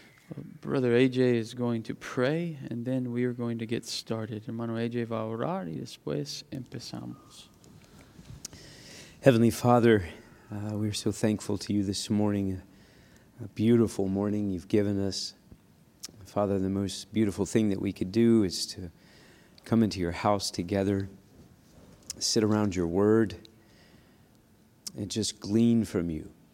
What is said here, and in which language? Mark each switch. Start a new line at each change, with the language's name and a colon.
English: Well, Brother AJ is going to pray, and then we are going to get started.
Spanish: Hermano AJ va a orar, y después empezamos.
English: Heavenly Father, we are so thankful to you this morning. A beautiful morning you've given us. Father, the most beautiful thing that we could do is to come into your house together, sit around your word, and just glean from you.